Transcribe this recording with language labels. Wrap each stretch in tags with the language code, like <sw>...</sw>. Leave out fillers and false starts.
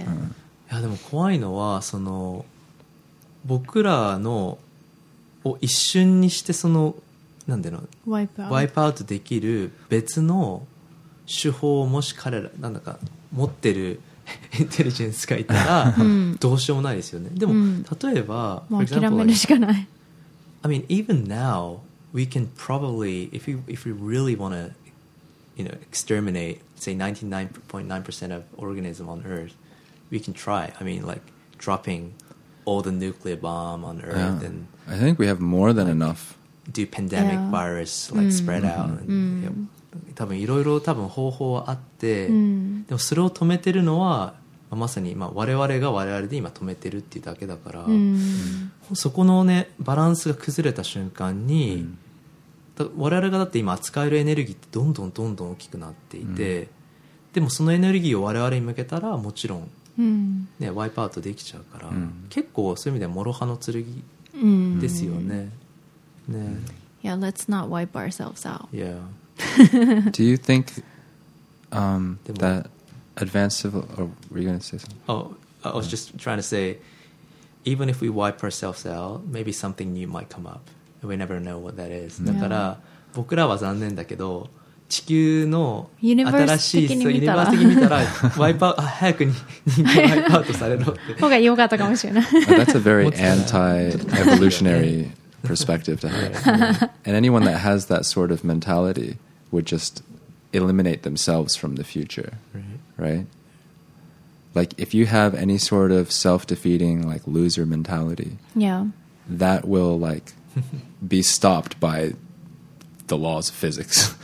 <ja>いやでも怖いのはその僕らのを一瞬にしてその何ていうのワイプアウトできる別の手法をもし彼らなんだか持ってるインテリジェンスがいたらどうしようもないですよね。でも例えばもう諦めるしかない。</ja> <en>I mean even now we can probably if we really want toYou know, exterminate say 99.9% of organism on Earth. We can try. I mean, like dropping all the nuclear bomb on Earth, and I think we have more than like, enough. Do pandemic virus like spread out?</en> <ja>And, 多分いろいろ多分方法はあって、でもそれを止めてるのは、まあ、まさに今我々が我々で今止めてるっていうだけだから、そこのねバランスが崩れた瞬間に。我々がだって今扱えるエネルギーってどんどんどんどん大きくなっていて、でもそのエネルギーを我々に向けたらもちろん、ね、ワイプアウトできちゃうから、結構そういう意味ではもろ刃の剣ですよね。ね。</ja> <en>Yeah, let's not wipe ourselves out. Yeah. Do you think that advanced civil? Or were you going to say something? Oh, I was just trying to say, even if we wipe ourselves out, maybe something new might come up. We never know what that is.</en> <ja>だから僕らは残念だけど地球の新しいユニバース的に見たらワイパー早くに人間ワイパーとされろって方が良かったかもしれない。</ja> <en>That's a very anti-evolutionary perspective to have. And anyone that has that sort of mentality would just eliminate themselves from the future, right? Like if you have any sort of self-defeating like loser mentality, that will likebe stopped by the laws of physics</en>